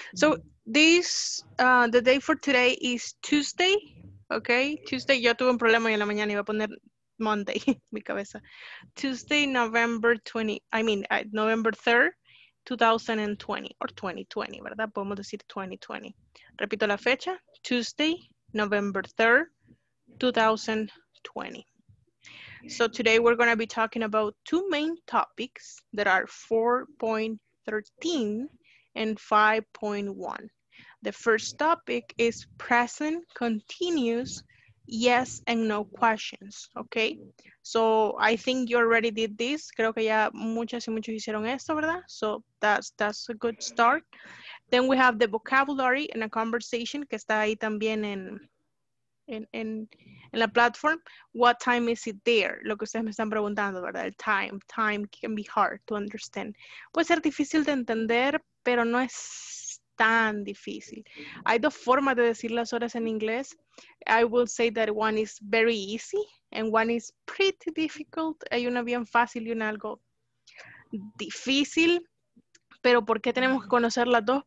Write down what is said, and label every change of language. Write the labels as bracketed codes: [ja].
[en] So this the day for today is Tuesday. Okay, Tuesday. [es] Yo tuve un problema y en la mañana iba a poner Monday mi cabeza. [en] Tuesday, November 3rd, 2020 or 2020, ¿verdad? [es] Podemos decir 2020. Repito la fecha. [en] Tuesday, November 3rd, 2020. So today we're going to be talking about two main topics that are 4.13 and 5.1. The first topic is present continuous yes and no questions, okay? So I think you already did this. [es] Creo que ya muchas y muchos hicieron esto, ¿verdad? [en] So that's a good start. Then we have the vocabulary in a conversation [es] que está ahí también en la [en] platform, what time is it there? [es] Lo que ustedes me están preguntando, ¿verdad? El time. [en] Time can be hard to understand. [es] Puede ser difícil de entender, pero no es tan difícil. Hay dos formas de decir las horas en inglés. [en] I will say that one is very easy and one is pretty difficult. [es] Hay una bien fácil y una algo difícil. Pero ¿por qué tenemos que conocer las dos?